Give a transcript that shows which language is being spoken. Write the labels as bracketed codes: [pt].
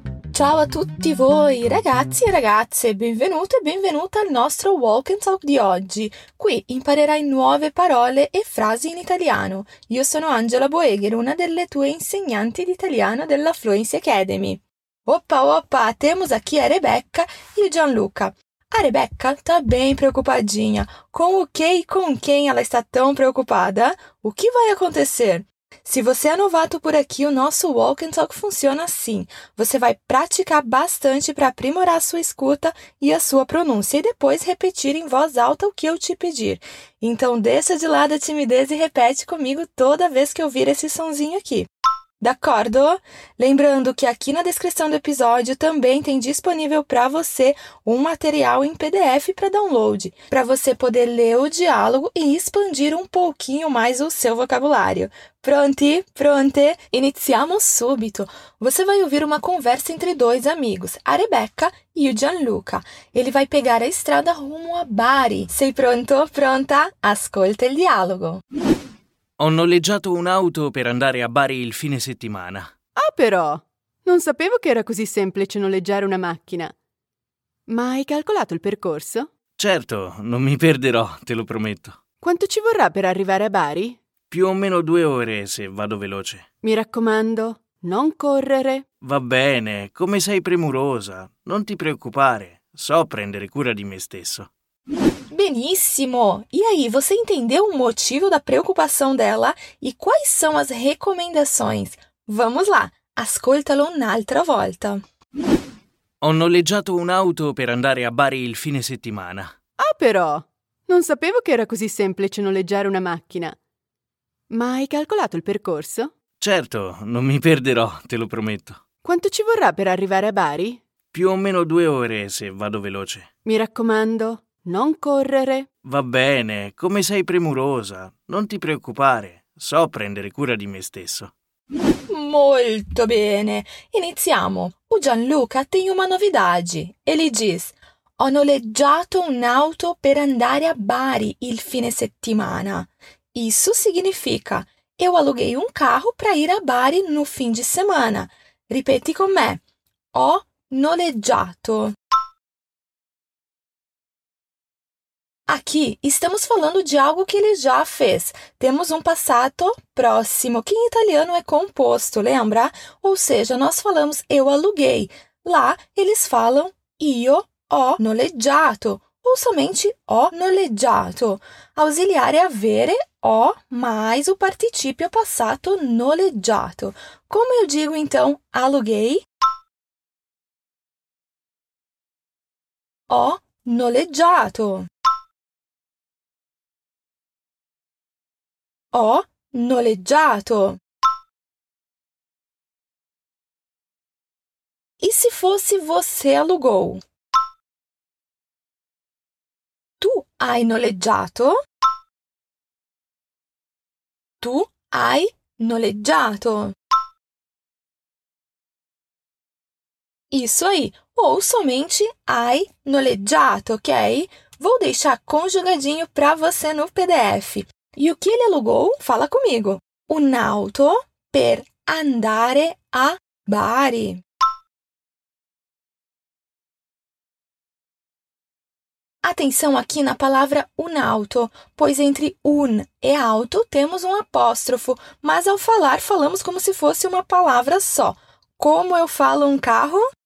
[it] Ciao a tutti voi ragazzi e ragazze, benvenuto e benvenuta al nostro Walk and Talk di oggi. Qui imparerai nuove parole e frasi in italiano. Io sono Angela Boeger, una delle tue insegnanti di italiano della Fluency Academy. [pt] Opa, opa, temos aqui a Rebecca e o Gianluca. A Rebecca tá bem preocupadinha. Com o que e com quem ela está tão preocupada? O que vai acontecer? Se você é novato por aqui, o nosso Walk and Talk funciona assim. Você vai praticar bastante para aprimorar a sua escuta e a sua pronúncia e depois repetir em voz alta o que eu te pedir. Então, deixa de lado a timidez e repete comigo toda vez que eu ouvir esse sonzinho aqui. [it] D'accordo? [pt] Lembrando que aqui na descrição do episódio também tem disponível para você um material em PDF para download, para você poder ler o diálogo e expandir um pouquinho mais o seu vocabulário. [it] Pronti? Pronte? Iniziamo subito! [pt] Você vai ouvir uma conversa entre dois amigos, a Rebecca e o Gianluca. Ele vai pegar a estrada rumo a Bari. [it] Sei pronto? Pronta? Ascolta il dialogo! Ho noleggiato un'auto per andare a Bari il fine settimana. Ah, però! Non sapevo che era così semplice noleggiare una macchina. Ma hai calcolato il percorso? Certo, non mi perderò, te lo prometto. Quanto ci vorrà per arrivare a Bari? Più o meno 2 ore, se vado veloce. Mi raccomando, non correre. Va bene, come sei premurosa. Non ti preoccupare, so prendere cura di me stesso. Benissimo! [pt] E aí, você entendeu o motivo da preocupação dela e quais são as recomendações? Vamos lá, [it] ascoltalo un'altra volta. Ho noleggiato un'auto per andare a Bari il fine settimana. Ah, però! Non sapevo che era così semplice noleggiare una macchina. Ma hai calcolato il percorso? Certo, non mi perderò, te lo prometto. Quanto ci vorrà per arrivare a Bari? Più o meno 2 ore, se vado veloce. Mi raccomando. Non correre. Va bene, come sei premurosa. Non ti preoccupare, so prendere cura di me stesso. Molto bene. Iniziamo. [pt] O Gianluca tem uma novidade. Ele diz: [it] Ho noleggiato un'auto per andare a Bari il fine settimana. [pt] Isso significa: Eu aluguei um carro para ir a Bari no fim de semana. [it] Ripeti com me: Ho noleggiato. [pt] Aqui estamos falando de algo que ele já fez. Temos um passado próximo, que em italiano é composto, lembra? Ou seja, nós falamos eu aluguei. Lá, eles falam [it] io ho noleggiato, [pt] ou somente [it] ho noleggiato. [pt] Ausiliar é avere, ho, mais o participio passato noleggiato. Como eu digo, então, aluguei? [it] Ho noleggiato. Ho noleggiato. [pt] E se fosse você alugou? [it] Tu hai noleggiato? Tu hai noleggiato. [pt] Isso aí. Ou somente [it] hai noleggiato, [pt] ok? Vou deixar conjugadinho para você no PDF. E o que ele alugou? Fala comigo. [it] Un'auto per andare a Bari. [pt] Atenção aqui na palavra un'auto, pois entre un e auto temos um apóstrofo, mas ao falar falamos como se fosse uma palavra só. Como eu falo um carro?